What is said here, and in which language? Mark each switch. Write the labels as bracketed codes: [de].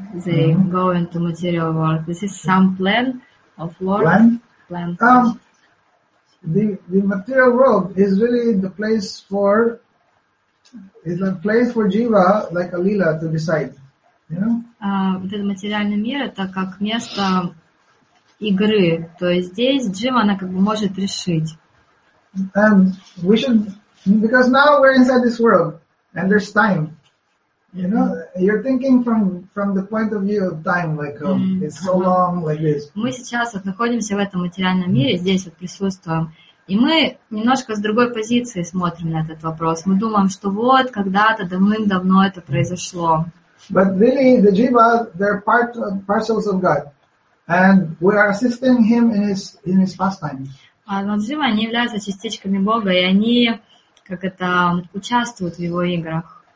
[en] They mm-hmm. go into material world. This is some plan of world. Plan. The material world is really the place for. It's a place for Jiva, like a lila, to decide, you know? The material world, [ru] это как место игры. То есть здесь Джива, она как бы может решить. [en] And we should, because now we're inside this world, and there's time. You know, you're thinking from the point of view of time, like it's so long, like this. [ru] Мы сейчас вот находимся в этом материальном мире, здесь вот присутствуем. И мы немножко с другой позиции смотрим на этот вопрос. Мы думаем, что вот когда-то давным-давно это произошло. [en] But really, the jiva, they're parcels of God, and we are assisting him in his pastimes. [ru] А вот джива, они являются частичками Бога, и они как это участвуют в его играх.